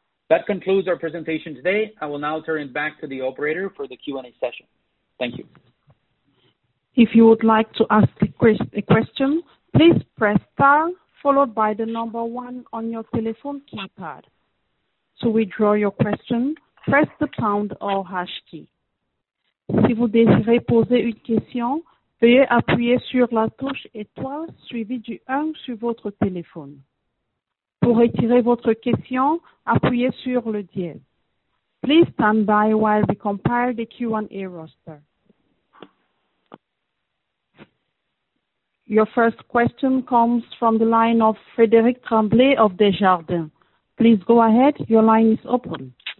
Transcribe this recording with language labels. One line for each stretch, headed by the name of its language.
English: That concludes our presentation today. I will now turn it back to the operator for the Q&A session. Thank you. If you would like to ask a question, please press star followed by the number one on your telephone keypad. To withdraw your question, press the pound or hash key.
French: Si vous désirez poser une question, veuillez appuyer sur la touche étoile suivie du 1 sur votre téléphone. Pour retirer votre question, appuyez sur le dièse.
English: Please stand by while we compile the Q&A roster. Your first question comes from the line of Frédéric Tremblay of Desjardins. Please go ahead. Your line is open.